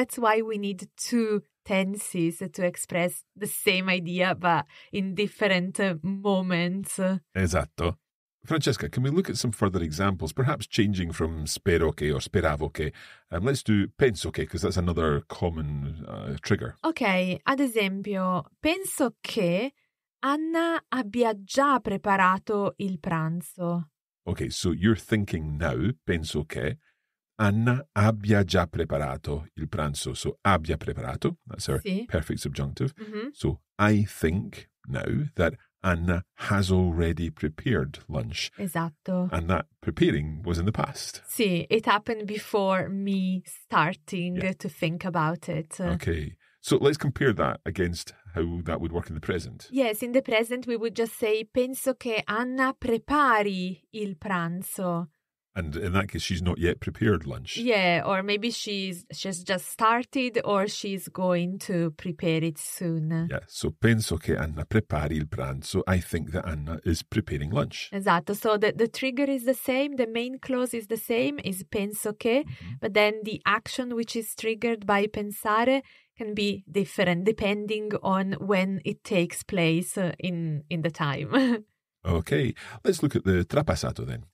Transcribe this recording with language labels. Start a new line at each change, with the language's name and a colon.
English: That's why we need two tenses to express the same idea, but in different moments.
Italian: Esatto.
English: Francesca, can we look at some further examples, perhaps changing from
Italian: spero che
English: or
Italian: speravo che?
English: Let's do
Italian: penso che,
English: because that's another common trigger.
Italian: Okay, ad esempio, penso che Anna abbia già preparato il pranzo.
English: Okay, so you're thinking now,
Italian: penso che Anna abbia già preparato il pranzo.
English: So
Italian: abbia preparato,
English: that's our perfect subjunctive. Mm-hmm. So I think now that Anna has already prepared lunch.
Italian: Esatto.
English: And that preparing was in the past.
Italian: Sì,
English: it happened before me starting to think about it. Okay, so let's compare that against how that would work in the present. Yes, in the present we would just say,
Italian: penso che Anna prepari il pranzo.
English: And in that case, she's not yet prepared lunch. Yeah, or maybe she's just started, or she's going to prepare it soon. Yeah, so
Italian: penso che Anna prepari il pranzo.
English: I think that Anna is preparing lunch.
Italian: Esatto,
English: so the trigger is the same, the main clause is the same, is
Italian: penso che,
English: but then the action which is triggered by
Italian: pensare
English: can be different depending on when it takes place in the time. Okay, let's look at the trapassato then.